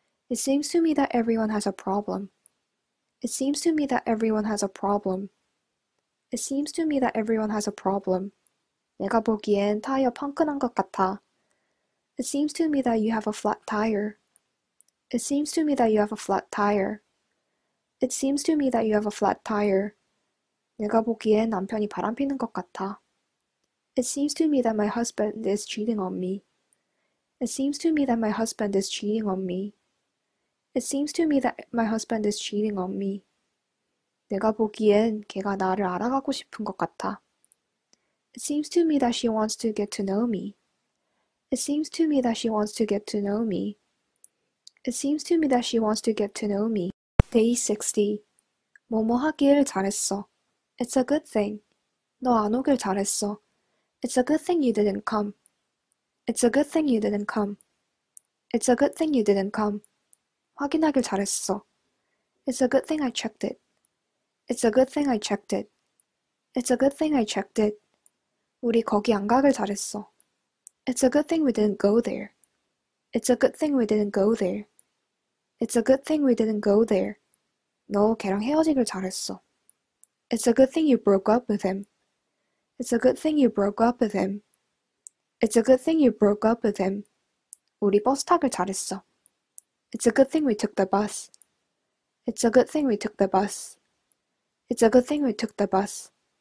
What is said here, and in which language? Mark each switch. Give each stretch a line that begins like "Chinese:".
English: It seems to me that everyone has a problem. It seems to me that everyone has a problem. It seems to me that everyone has a problem.
Korean: 내가 보기엔 타이어 펑크 난것 같아.
English: It seems to me that you have a flat tire. It seems to me that you have a flat tire. It seems to me that you have a flat tire.
Korean: 내가 보기엔 남편이 바람피는 것 같아.
English: It seems to me that my husband is cheating on me. It seems to me that my husband is cheating on me. It seems to me that my husband is cheating on me.
Korean: 내가 보기엔 걔가 나를 알아가고 싶은 것 같아.
English: It seems to me that she wants to get to know me. It seems to me that she wants to get to know me. It seems to me that she wants to get to know me. Day 60.
Korean: 뭐뭐 하길 잘했어.
English: It's a good thing.
Korean: 너안 오길 잘했어.
English: It's a good thing you didn't come. It's a good thing you didn't come. It's a good thing you didn't come.
Korean: 확인하길 잘했어.
English: It's a good thing I checked it. It's a good thing I checked it. It's a good thing I checked it.
Korean: 우리 거기 안 가길 잘했어.
English: It's a good thing we didn't go there. It's a good thing we didn't go there. It's a good thing we didn't go there.
Korean: 너 걔랑 헤어지길 잘했어.
English: It's a good thing you broke up with him. It's a good thing you broke up with him. It's a good thing you broke up with him.
Korean: 우리 버스 타길 잘했어.
English: It's a good thing we took the bus. It's a good thing we took the bus. It's a good thing we took the bus.